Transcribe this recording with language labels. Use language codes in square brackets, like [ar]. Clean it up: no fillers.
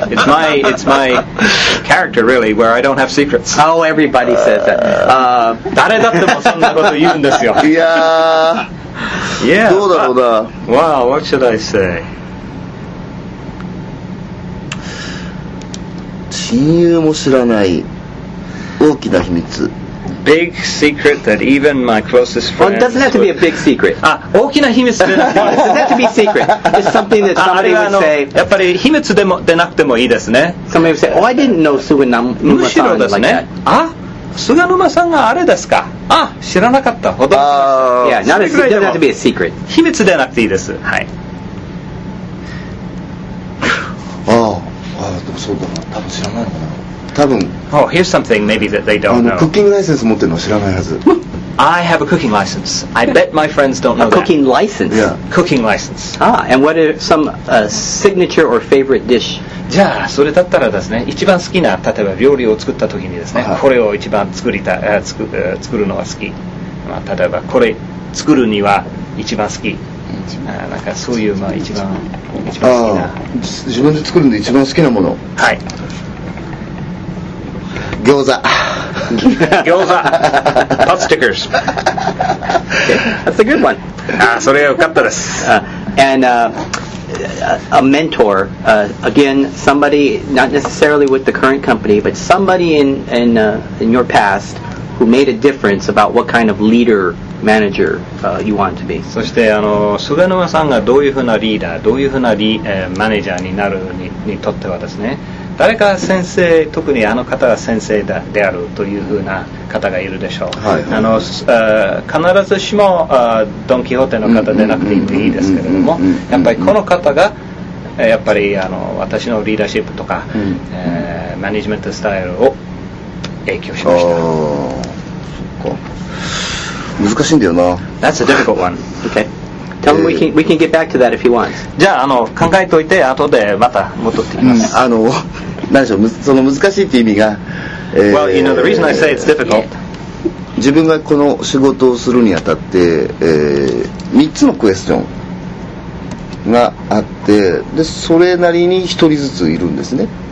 [en] It's my character really, where I don't have secrets. Oh, everybody says that. [ja] 誰だってもそんなこと言うんですよ。いや [en] ー、 yeah, [ja] どうだろうな。 [en] Wow, what should I say? [ja] 親友も知らない大きな秘密。 [en] Big secret that even my closest friend. Well, it doesn't have to be a big secret. [ja] Ah, 大きな秘密でない。 [en] It doesn't have to be secret. It's something that somebody would say. [ja] やっぱり秘密でもでなくてもいいですね。 [en] Somebody would say, "Oh, I didn't know Suganuma-san like that." [ja] むしろですね。あ、菅沼さんがあれですか。あ、知らなかった。ほど。 [en] Yeah, not a secret. It doesn't have to be a secret. [ja] 秘密でなくていいです。はい。ああ、でもそうだな。多分知らないのかな。多分。 [en] Oh, here's something maybe that they don't know. [ja] クッキングライセンス持ってるのは知らないはず。 [en] I have a cooking license. I bet my friends don't know that. A cooking license? Yeah. Cooking license. Ah, and what are some signature or favorite dish? [ja] じゃあ、それだったらですね、一番好きな、例えば料理を作った時にですね、これを一番作るのが好き。まあ、例えば、これ作るには一番好き。なんかそういう、まあ、一番好きな。自分で作るんで一番好きなもの。はい。餃子。餃子。パッチクルス。 [en] That's a good one. [ja] ああ、それはよかったです。 [en] And a mentor, again, somebody, not necessarily with the current company, but somebody in your past who made a difference about what kind of leader, manager you want to be. [ja] そして、菅沼さんがどういうふうなリーダー、どういうふうなマネージャーになるにとってはですね、誰か先生、特にあの方が先生であるというふうな方がいるでしょう。はいはい、必ずしもドン・キホーテの方でなくてもいいですけれども、やっぱりこの方が、やっぱり私のリーダーシップとか、マネジメントスタイルを影響しました。あ、そっか。難しいんだよな。 [en] That's a difficult one. Okay. Tell him we can get back to that if he wants. [ja] じゃあ、考えといて、後でまた戻ってきます。何でしょう、その難しいって意味が、 [en] Well, you know, the reason I say it's difficult. [ja] 自分がこの仕事をするにあたって、3つのクエスチョンがあって、で、それなりに1人ずついるんですね。